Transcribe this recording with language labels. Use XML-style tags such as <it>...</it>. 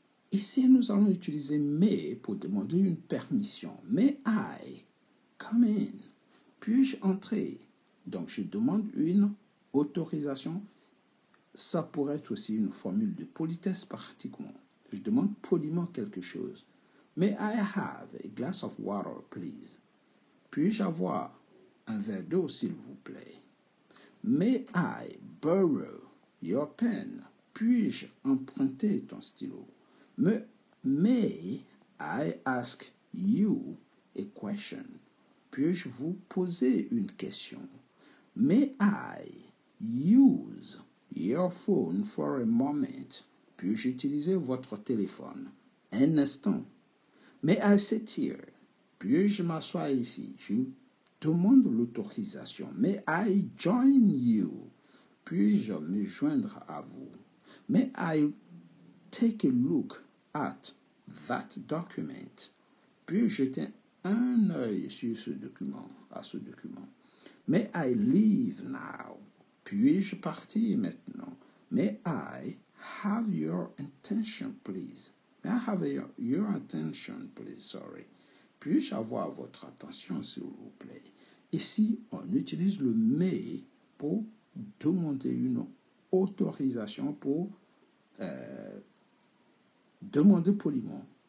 <fr>Ici, nous allons utiliser may pour demander une permission.</fr> <en>May I come in?</en> <fr>Puis-je entrer? Donc, je demande une autorisation. Ça pourrait être aussi une formule de politesse pratiquement. Je demande poliment quelque chose.</fr> <en>May I have a glass of water, please?</en> <fr>Puis-je avoir un verre d'eau, s'il vous plaît?</fr> <en>May I borrow your pen,</en> <fr>puis-je emprunter ton stylo?</fr> <en>May I ask you a question?</en> <fr>Puis-je vous poser une question?</fr> <en>May I use your phone for a moment?</en> <fr>Puis-je utiliser votre téléphone un instant?</fr> <en>May I sit here?</en> <fr>Puis-je m'asseoir ici? Je demande l'autorisation.</fr> <en>May I join you?</en> <fr>Puis-je me joindre à vous?</fr> <en>May I take a look at that document?</en> <fr>Puis-je jeter un œil sur ce document, à ce document?</fr> <en>May I leave now?</en> <fr>Puis-je partir maintenant?</fr> <en>May I have your attention, please? May I have your attention, please? Sorry.</en> <fr>Puis-je avoir votre attention, s'il vous plaît? Ici, on on utilise le « mais » pour demander une autorisation pour demander poliment.</fr>